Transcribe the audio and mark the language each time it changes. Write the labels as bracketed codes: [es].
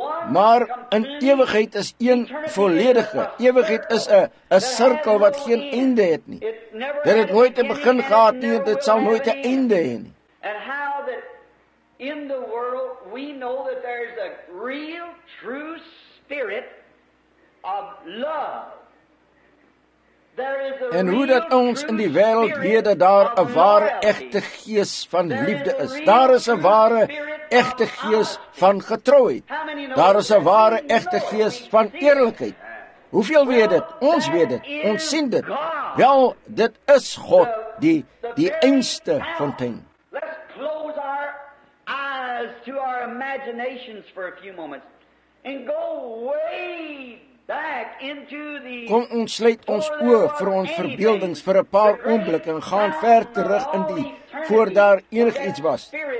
[af] Maar in ewigheid is een volledige. Ewigheid is 'n sirkel wat geen einde het nie. Dit het nooit 'n begin gehad nie, dit sal nooit 'n einde hê nie. [en] And how that in the world we know that there is a real true spirit of love. [af] En hoe dat ons in die wêreld weet dat daar 'n ware egte gees van liefde is. Daar is 'n ware egte gees van getrouheid. Daar is 'n ware egte gees van eerlikheid. Hoeveel weet dit? Ons weet dit. Ons sien dit. Wel, dit is God, die einste fontein. [en] Let's close our eyes to our imaginations for a few moments and go way back into the. [af] Kom ons sluit ons oë vir ons verbeeldings vir 'n paar oomblikke en gaan ver terug in die voor daar enigiets was.